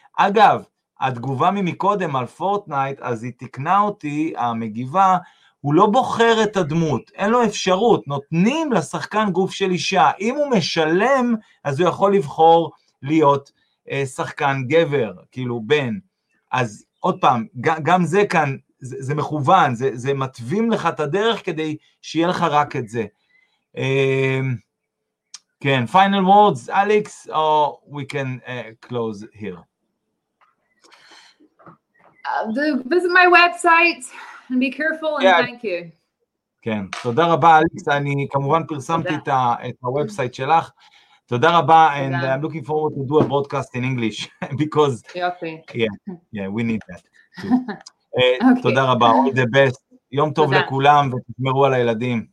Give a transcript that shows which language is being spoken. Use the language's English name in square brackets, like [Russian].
[Hebrew] אגב, התגובה ממקודם על פורטנייט, אז היא תקנה אותי, המגיבה, הוא לא בוחר את הדמות, אין לו אפשרות, נותנים לשחקן גוף של אישה, אם הוא משלם, אז הוא יכול לבחור להיות שחקן גבר, כאילו בן, אז עוד פעם, גם זה כאן, זה מכוון, זה מטווים לך את הדרך כדי שיהיה לך רק את זה. [English] כן, final words, Alex, or we can close here. Visit my website and be careful and thank you. [Hebrew] כן, תודה רבה, אליקס, אני כמובן פרסמתי את הוובסייט שלך. תודה רבה, [English] and I'm looking forward to do a broadcast in English, because... [Hebrew] יופי. [English] Yeah, we need that, too. [Hebrew] תודה רבה, [English] all the best. [Hebrew] יום טוב לכולם, ותשמרו על הילדים.